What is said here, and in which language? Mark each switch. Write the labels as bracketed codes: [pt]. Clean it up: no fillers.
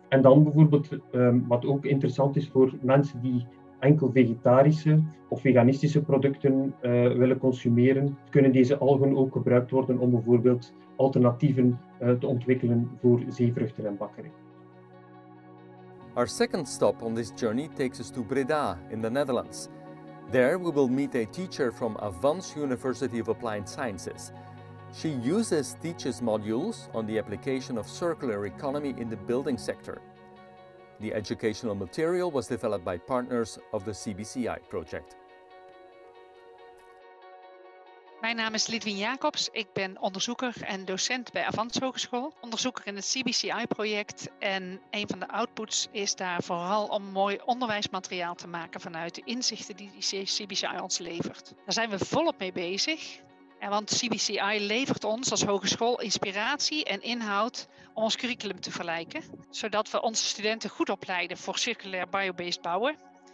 [nl] En dan bijvoorbeeld, wat ook interessant is voor mensen die enkel vegetarische of veganistische producten willen consumeren, kunnen deze algen ook gebruikt worden om bijvoorbeeld alternatieven te ontwikkelen voor zeevruchten en bakkerij. [en] Our second stop on this journey takes us to Breda in the Netherlands. There we will meet a teacher from Avans University of Applied Sciences. She uses teaches modules on the application of circular economy in the building sector. The educational material was developed by partners of the CBCI project. [nl] Mijn naam is Lidwien Jacobs, ik ben onderzoeker en docent bij Avans Hogeschool. Onderzoeker in het CBCI-project en een van de outputs is daar vooral om mooi onderwijsmateriaal te maken vanuit de inzichten die CBCI ons levert. Daar zijn we volop mee bezig, want CBCI levert ons als hogeschool inspiratie en inhoud om ons curriculum te verrijken, zodat we onze studenten goed opleiden voor circulair biobased bouwen.